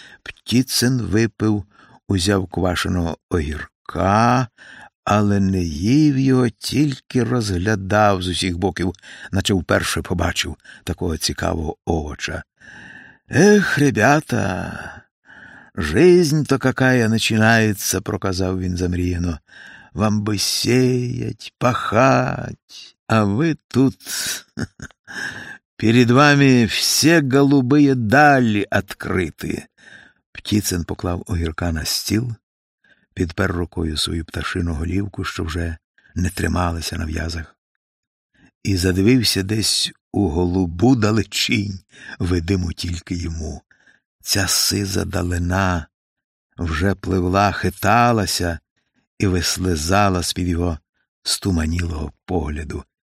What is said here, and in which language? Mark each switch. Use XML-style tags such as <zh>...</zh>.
<uk>Птіцин випив, узяв квашеного огірка, але не їв його, тільки розглядав з усіх боків, наче вперше побачив такого цікавого овоча.</uk> <ru>«Ех, ребята, жизнь то какая начинается», –</ru> <uk>проказав він замріяно. «Вам би сіять, пахать, а ви тут.</uk> <ru>Перед вами все голубые далі открыты».</ru> <uk>Птіцин поклав огірка на стіл, підпер рукою свою пташину голівку, що вже не трималася на в'язах, і задивився десь у голубу далечінь, видиму тільки йому. Ця сиза далина вже пливла, хиталася і вислизала з-під його стуманілого погляду.</uk>